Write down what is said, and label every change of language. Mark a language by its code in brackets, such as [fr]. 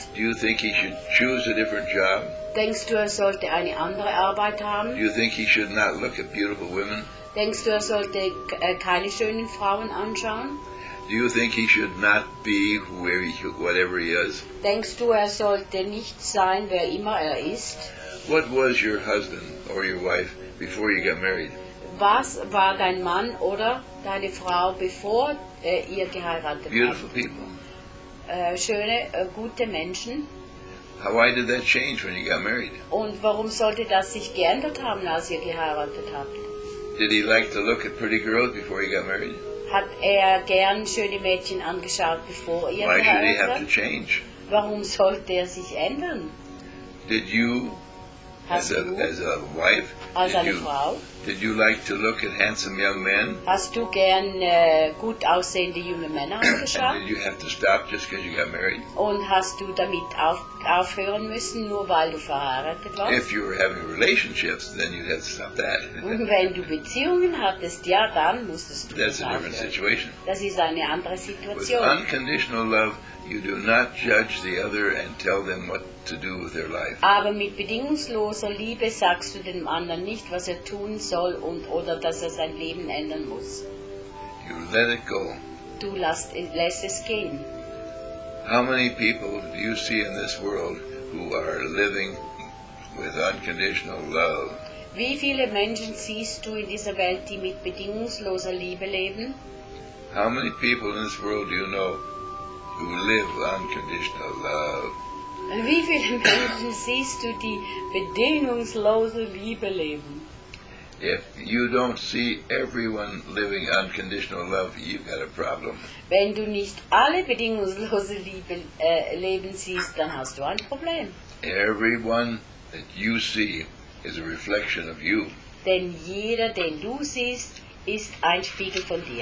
[en] Do you think he should choose a different job? [de] Denkst du, er sollte eine andere Arbeit haben? [en] Do you think he should not look at beautiful women? [de] Denkst du, er sollte keine schönen Frauen anschauen? [en] Do you think he should not be whatever he is? [de] Denkst du, er sollte nicht sein, wer immer er ist? [en] What was your husband or your wife before you got married? [de] Was war dein Mann oder deine Frau, bevor ihr geheiratet habt? [en] Beautiful people. [de] Schöne, gute Menschen. [en] Why did that change when you got married? [de] Und warum sollte das sich geändert haben, als ihr geheiratet habt? [en] Did he like to look at pretty girls before he got married? [de] Hat gern schöne Mädchen angeschaut, bevor ihr geheiratet habt? [en] Why should he have to change? [de] Warum sollte er sich ändern? [en] Did you, as a wife, [de] als eine Frau, [en] did you like to look at handsome young men? [de] Hast du gern gut aussehende junge Männer angeschaut? [en] And did you have to stop just because you got married? [de] Und hast du damit aufhören müssen, nur weil du verheiratet warst? [en] If you were having relationships, then you had to stop that. [de] Und wenn du Beziehungen hattest, ja, dann musstest du aufhören. [en] That's a different situation. [de] Das ist eine andere Situation. [en] With unconditional love, you do not judge the other and tell them what to do with their life. [de] Aber mit bedingungsloser Liebe sagst du dem anderen nicht, was tun soll oder dass sein Leben ändern muss. [en] You let it go. [de] du lässt es gehen. [en] How many people do you see in this world who are living with unconditional love? [de] Wie viele Menschen siehst du in dieser Welt, die mit bedingungsloser Liebe leben? [en] How many people in this world do you know who live unconditional love? [de] Wie viele Menschen siehst du, die bedingungslose Liebe leben? [en] If you don't see everyone living unconditional love, you've got a problem. [de] Wenn du nicht alle bedingungslose Liebe leben siehst, dann hast du ein Problem. [en] Everyone that you see is a reflection of you. [de] Denn jeder, den du siehst, ist ein Spiegel von dir.